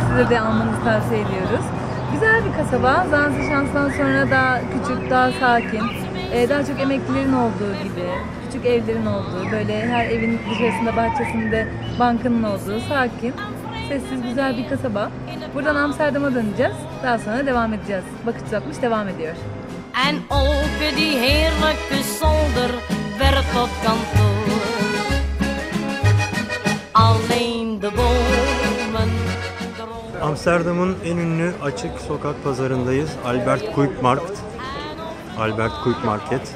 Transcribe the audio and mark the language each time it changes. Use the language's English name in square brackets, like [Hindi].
[Turkish] Size de almanızı tavsiye ediyoruz. Güzel bir kasaba. Zanse Şans'tan sonra daha küçük, daha sakin. Daha çok emeklilerin olduğu gibi, küçük evlerin olduğu, böyle her evin dışarısında, bahçesinde bankanın olduğu, sakin, sessiz, güzel bir kasaba. Buradan Amsterdam'a döneceğiz. Daha sonra devam edeceğiz. Bakış uzatmış devam ediyor. [Dutch] En open die heerlijke zolder werd tot kantoor. Alleen de bomen. [Turkish] Amsterdam'ın en ünlü açık sokak pazarındayız. Albert Kuipmarkt. Albert Kuipmarkt.